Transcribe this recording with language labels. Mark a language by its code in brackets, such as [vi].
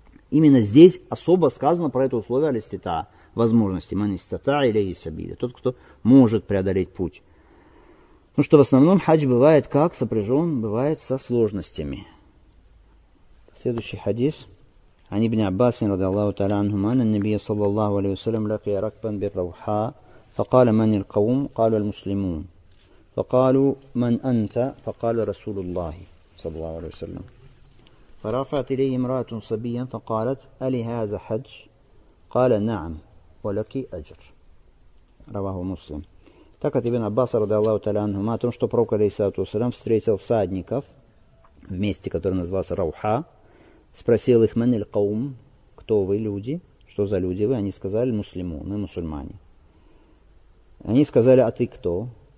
[ru] Именно здесь особо сказано про это условие алистита, возможности, [ar] манистата или исабили, [ru] тот, кто может преодолеть путь. Потому что в основном хадж бывает как сопряжен, бывает со сложностями. Следующий хадис. [ar] عن ابن عباس رضي الله تعالى عنهما أن النبي صلى الله عليه وسلم لقي ركبا بالروحاء فقال من القوم؟ قالوا المسلمون. فقالوا من أنت؟ فقال رسول الله صلى الله عليه وسلم. فرفعت إليه امرأة صبيا فقالت ألي هذا حج؟ قال نعم ولك أجر. رواه مسلم. [ru] Так от Ибн Аббаса, радиаллаху таля анхума, о том, что пророк, алейхиссалату вассалям, встретил всадников в месте, которое называлось Рауха, спросил их, [ar] «Ман иль каум?» [ru] «Кто вы, люди?» «Что за люди вы?» Они сказали, «Муслимуны, мусульмане». Они сказали, «А ты кто?»